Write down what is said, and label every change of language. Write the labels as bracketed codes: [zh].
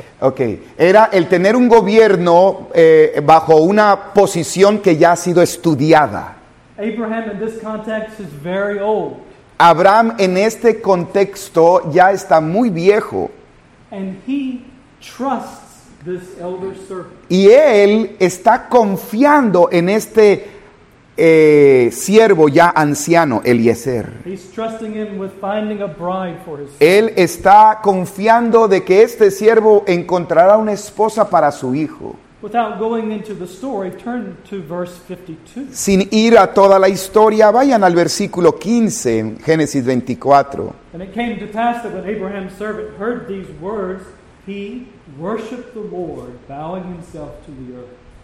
[en] Okay. [es] Era el tener un gobierno bajo una posición que ya ha sido estudiada. [en] Abraham in this context is very old. [es] Abraham en este contexto ya está muy viejo. [en] And he trusts this elder servant. [es] Y él está confiando en este siervo ya anciano, Eliezer. [en] He's trusting him with finding a bride for his... [es] Él está confiando de que este siervo encontrará una esposa para su hijo. [en] Without going into the story, turn to verse 52. [es] Sin ir a toda la historia, vayan al versículo 15, Génesis 24. [en] And it came to pass that when Abraham's servant heard these words, he worshipped the Lord, bowing himself to the earth.